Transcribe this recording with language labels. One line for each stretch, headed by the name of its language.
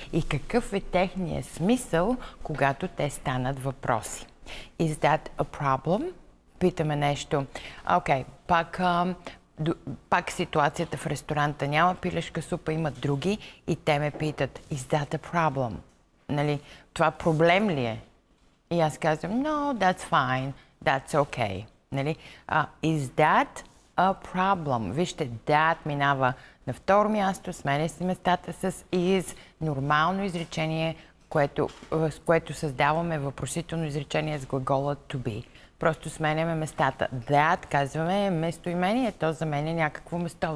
Bulgarian: И какъв е техният смисъл, когато те станат въпроси.
English: Is that a problem?
Bulgarian: Питаме нещо. Окей, пак... Пак ситуацията в ресторанта няма пилешка супа, има други и те ме питат,
English: is that a problem?
Bulgarian: Нали, това проблем ли е? И аз казвам,
English: no, that's fine, that's okay.
Bulgarian: Нали,
English: is that a problem?
Bulgarian: Вижте, that минава на второ място, сменя се местата с is, нормално изречение, което създаваме въпросително изречение с глагола to be. Просто сменяме местата. That, казваме, е местоимение. То за мен е някакво место.